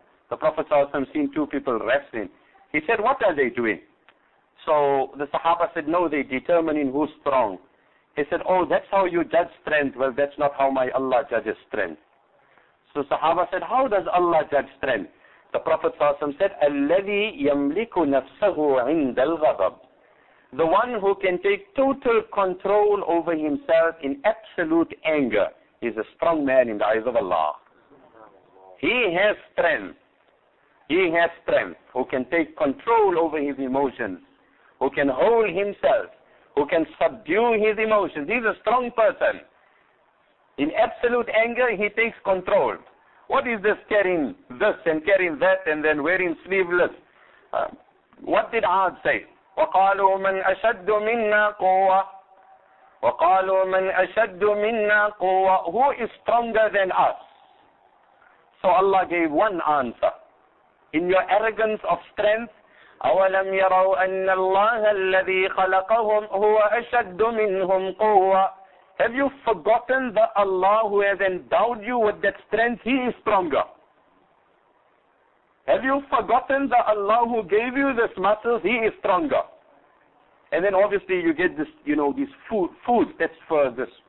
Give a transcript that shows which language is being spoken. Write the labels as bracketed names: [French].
[English] The Prophet ﷺ seen two people wrestling. He said, what are they doing? So the Sahaba said, no, they're determining who's strong. He said, oh, that's how you judge strength. Well, that's not how my Allah judges strength. So Sahaba said, how does Allah judge strength? The Prophet ﷺ said, [Arabic] الَّذِي يَمْلِكُ نَفْسَهُ عِنْدَ الْغَضَبِ. [English] The one who can take total control over himself in absolute anger. He's a strong man in the eyes of Allah. He has strength. He has strength. Who can take control over his emotions. Who can hold himself. Who can subdue his emotions. He's a strong person. In absolute anger, he takes control. What is this carrying this and carrying that and then wearing sleeveless? What did Ad say? [Arabic] وَقَالُوا مَنْ أَشَدُّ مِنَّا قُوَّةً وَقَالُوا مَنْ أَشَدُّ مِنَّا قُوَّةً. [English] Who is stronger than us? So Allah gave one answer. In your arrogance of strength, [Arabic] أَوَلَمْ يَرَوْا أَنَّ اللَّهَ الَّذِي خَلَقَهُمْ هُوَ أَشَدُّ مِنْهُمْ قُوَّةً. [English] Have you forgotten that Allah, who has endowed you with that strength, He is stronger? Have you forgotten that Allah, who gave you this muscles, He is stronger? And then obviously you get this, you know, these food that's for this.